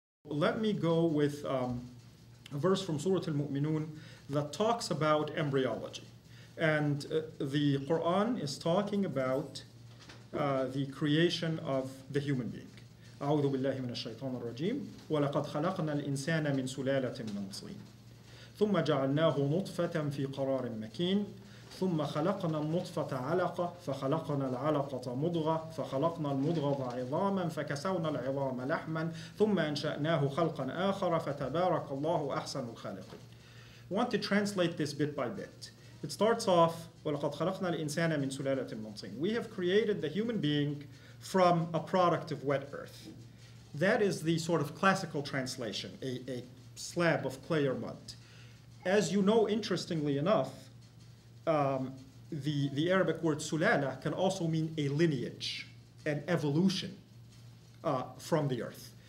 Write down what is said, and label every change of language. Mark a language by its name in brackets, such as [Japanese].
[English] Let me go with a verse from Surah Al-Mu'minun that talks about embryology. And the Quran is talking about the creation of the human being. [Arabic] أعوذ بالله من الشيطان الرجيم ولقد خلقنا الإنسان من سلالة من طين ثم جعلناه نطفة في قرار مكين ثم خلقنا النطفة علقة فخلقنا العلقة مضغة فخلقنا المضغة عظاما فكسونا العظام لحما ثم أنشأناه خلقا آخر فتبارك الله أحسن الخالقين. [English] I want to translate this bit by bit. It starts off, [Arabic] وَلَقَدْ خَلَقْنَا الْإِنسَانَ مِنْ سُلَالَةٍ مِنْ طِينٍ. [English] We have created the human being from a product of wet earth. That is the sort of classical translation, a slab of clay or mud. As you know, interestingly enough, the Arabic word sulala can also mean a lineage, an evolution from the earth.